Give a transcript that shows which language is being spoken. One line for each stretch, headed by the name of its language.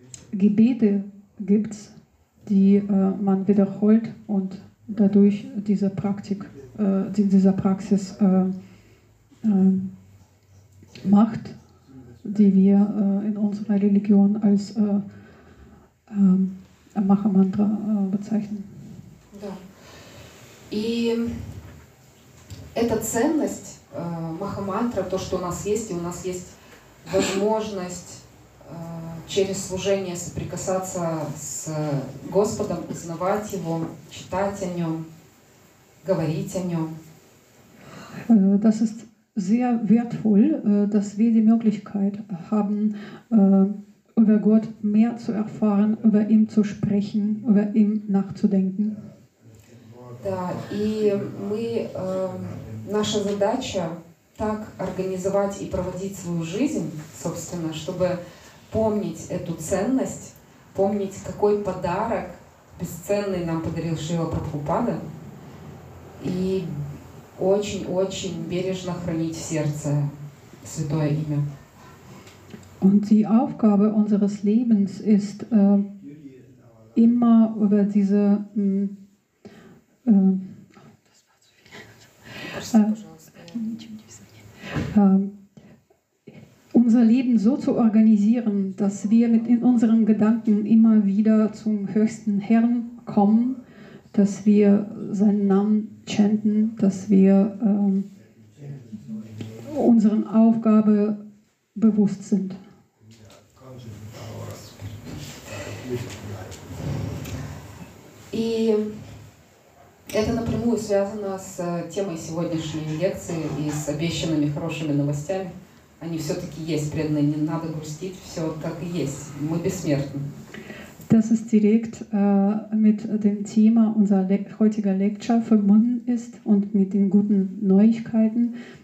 German: Gebete gibt, die man wiederholt und dadurch diese Praktik, dieser Praxis macht, die wir in unserer Religion als Mahamantra bezeichnen.
Russian: Да. И эта ценность Mahamantra, то, что у нас есть, и у нас есть возможность через служение соприкасаться с Господом, узнавать Его, читать о Нем, говорить о Нем.
German: Das ist sehr wertvoll, dass wir die Möglichkeit haben, über Gott mehr zu erfahren, über ihn zu sprechen, über ihn nachzudenken.
Russian: Да, и мы наша задача так организовать и проводить свою жизнь, собственно, чтобы помнить эту ценность, помнить, какой подарок бесценный нам подарил Шрила Прабхупада, и очень-очень бережно хранить в сердце святое имя.
German: Und die Aufgabe unseres Lebens ist, immer über diese, unser Leben so zu organisieren, dass wir mit in unseren Gedanken immer wieder zum höchsten Herrn kommen, dass wir seinen Namen chanten, dass wir unseren Aufgabe bewusst sind.
Russian: И это напрямую связано с темой сегодняшней лекции и с обещанными хорошими новостями. Они все-таки есть преданные, не надо грустить, все как и есть. Мы бессмертны.
German: Das ist direkt mit dem Thema unserer heutiger Lecture verbunden ist und mit den guten Neuigkeiten.